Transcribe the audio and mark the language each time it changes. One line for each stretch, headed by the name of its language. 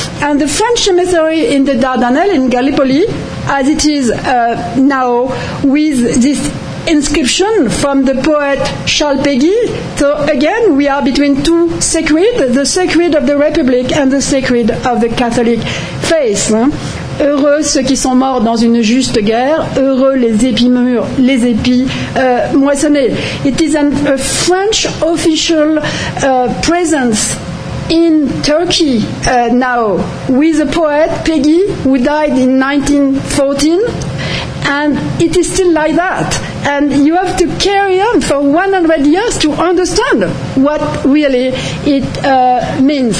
English: And the French cemetery in the Dardanelles, in Gallipoli, as it is now, with this inscription from the poet Charles Péguy. So again, we are between two sacred, the sacred of the Republic and the sacred of the Catholic faith.
French: Heureux ceux qui sont morts dans une juste guerre, heureux les épis mûrs, les épis moissonnés.
English: It is a French official presence in Turkey now, with a poet, Peggy, who died in 1914, And it is still like that. And you have to carry on for 100 years to understand what really it means.